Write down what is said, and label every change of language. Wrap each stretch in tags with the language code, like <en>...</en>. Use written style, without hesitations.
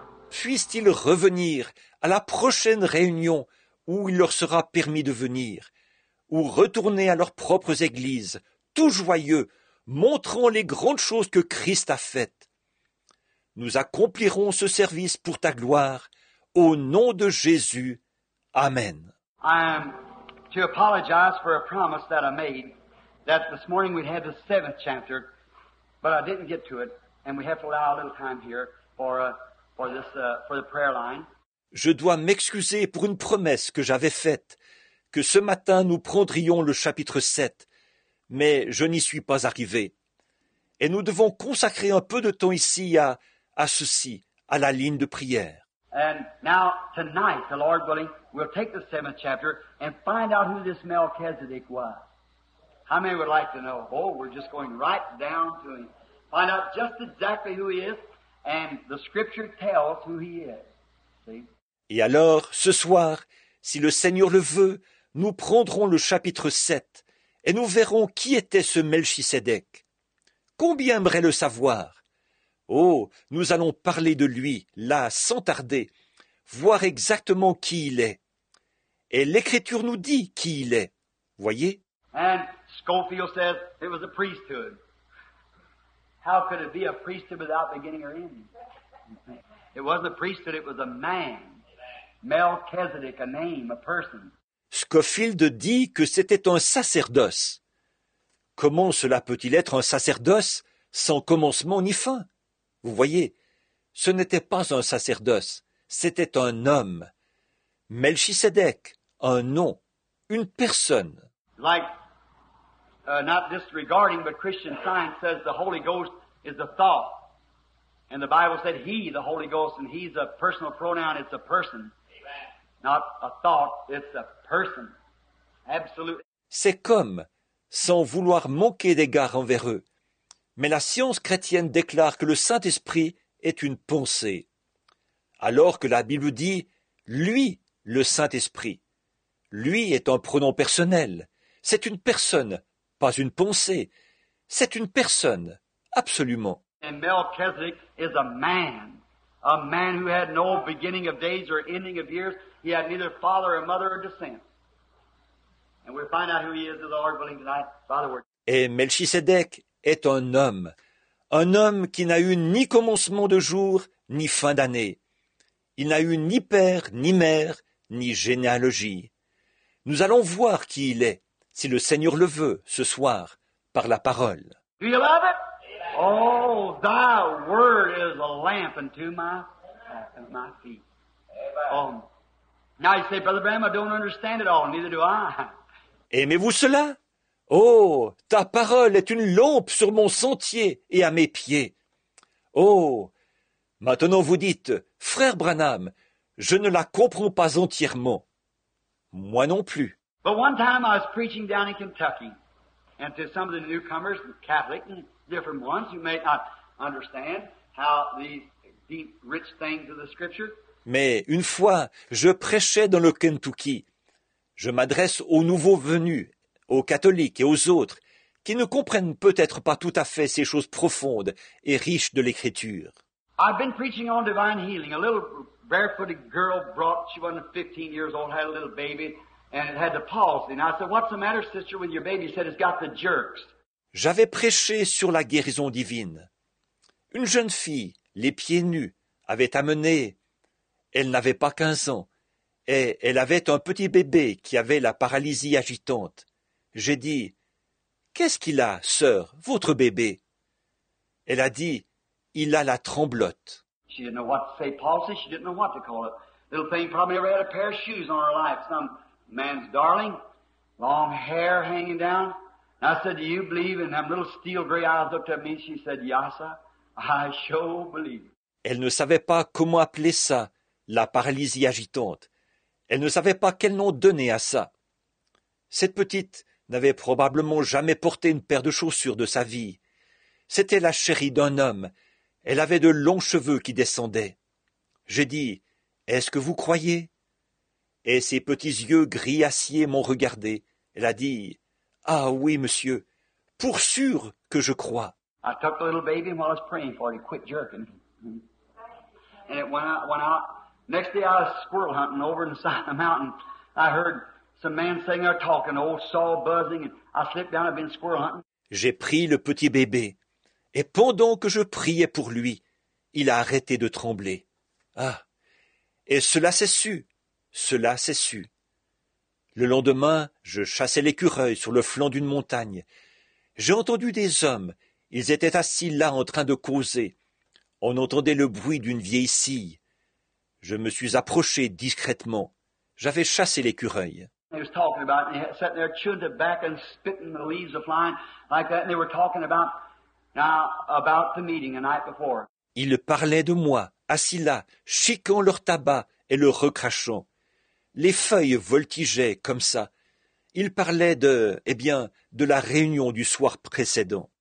<fr>Puissent-ils revenir à la prochaine réunion où il leur sera permis de venir, ou retourner à leurs propres églises, tout joyeux, montrant les grandes choses que Christ a faites. Nous accomplirons ce service pour ta gloire, au nom de Jésus. Amen.</fr> <en>I am to apologize for a promise that I made, that this morning we had the seventh chapter, but I didn't get to it, and we have to allow a little time here for the prayer line.</en> <fr>Je dois m'excuser pour une promesse que j'avais faite, que ce matin nous prendrions le chapitre 7, mais je n'y suis pas arrivé. Et nous devons consacrer un peu de temps ici à ceci, à la ligne de prière.</fr> <en>And now, tonight, the Lord willing, we'll take the seventh chapter and find out who this Melchizedek was. How many would like to know? Oh, we're just going right down to him. Find out just exactly who he is, and the Scripture tells who he is. See?</en> <fr>Et alors, ce soir, si le Seigneur le veut, nous prendrons le chapitre 7 et nous verrons qui était ce Melchisédek. Combien aimerait le savoir? Oh, nous allons parler de lui, là, sans tarder, voir exactement qui il est. Et l'Écriture nous dit qui il est, voyez?</fr> <en>And Scofield says it was a priesthood. How could it be a priesthood without beginning or ending? It wasn't a priesthood, it was a man. Melchizedek, a name, a person.</en> <fr>Scofield dit que c'était un sacerdoce. Comment cela peut-il être un sacerdoce sans commencement ni fin? Vous voyez, ce n'était pas un sacerdoce, c'était un homme. Melchisédek, un nom, une personne.</fr> <en>Like, not disregarding, but Christian Science says the Holy Ghost is a thought. And the Bible said he, the Holy Ghost, and he's a personal pronoun, it's a person. Not a thought, it's a person. Absolutely.</en> <fr>C'est comme, sans vouloir manquer d'égard envers eux. Mais la science chrétienne déclare que le Saint-Esprit est une pensée. Alors que la Bible dit « lui, le Saint-Esprit ». Lui est un pronom personnel. C'est une personne, pas une pensée. C'est une personne, absolument.</fr> <en>And Melchizedek is a man, A man who had no beginning of days or ending of years. He had neither father or mother or descent. And we'll find out who he is, the Lord willing, tonight by the word.</en> <fr>Et Melchisedec est un homme qui n'a eu ni commencement de jour, ni fin d'année. Il n'a eu ni père, ni mère, ni généalogie. Nous allons voir qui il est, si le Seigneur le veut, ce soir, par la parole.</fr> <en>Do you love it? Oh, thy word is a lamp unto my feet. Now you say, Brother Bram, I don't understand it all, neither do I.</en> <fr>Aimez-vous cela? Oh, ta parole est une lampe sur mon sentier et à mes pieds. Oh, maintenant vous dites, frère Branham, je ne la comprends pas entièrement. Moi non plus.</fr> <en>But one time I was preaching down in Kentucky, and to some of the newcomers, Catholic and different ones, who may not understand how these deep, rich things of the Scripture.</en> <fr>Mais une fois, je prêchais dans le Kentucky. Je m'adresse aux nouveaux venus, aux catholiques et aux autres, qui ne comprennent peut-être pas tout à fait ces choses profondes et riches de l'Écriture.</fr> <en>I've been preaching on divine healing. A little barefooted girl brought, she wasn't 15 years old, had a little baby, and it had the palsy. And I said, what's the matter, sister, with your baby? She said, it's got the jerks.</en> <fr>J'avais prêché sur la guérison divine. Une jeune fille, les pieds nus, avait amené, elle n'avait pas 15 ans, et elle avait un petit bébé qui avait la paralysie agitante. J'ai dit, « Qu'est-ce qu'il a, sœur, votre bébé ?» Elle a dit, « Il a la tremblotte. »</fr> <en>She didn't know what to say, palsy, she didn't know what to call it. Little thing probably never had a pair of shoes on her life, some man's darling, long hair hanging down. And I said, do you believe? And them little steel gray eyes looked at me, she said, Yassa, I sure believe.</en> <fr>Elle ne savait pas comment appeler ça, la paralysie agitante. Elle ne savait pas quel nom donner à ça. Cette petite n'avait probablement jamais porté une paire de chaussures de sa vie. C'était la chérie d'un homme. Elle avait de longs cheveux qui descendaient. J'ai dit, « Est-ce que vous croyez ?» Et ses petits yeux gris acier m'ont regardé. Elle a dit, « Ah oui, monsieur, pour sûr que je crois. »</fr> <en>I took the little baby and while I was praying for it, he quit jerking. And it went out. Next day I was squirrel hunting over in the side of the mountain. I heard some man sitting there talking, old saw buzzing, and I slipped down and been squirrel hunting.</en> <fr>J'ai pris le petit bébé. Et pendant que je priais pour lui, il a arrêté de trembler. Ah! Et cela s'est su, cela s'est su. Le lendemain, je chassais l'écureuil sur le flanc d'une montagne. J'ai entendu des hommes, ils étaient assis là en train de causer. On entendait le bruit d'une vieille scie. Je me suis approché discrètement. J'avais chassé l'écureuil.</fr> <en>They were talking about, and they sat there chewing the back and spitting the leaves of flying like that, and they were talking about. Now, about the meeting the night before.</en> <fr>Ils parlaient de moi, assis là, chiquant leur tabac et le recrachant. Les feuilles voltigeaient comme ça. Ils parlaient de, eh bien, de la réunion du soir précédent.</fr>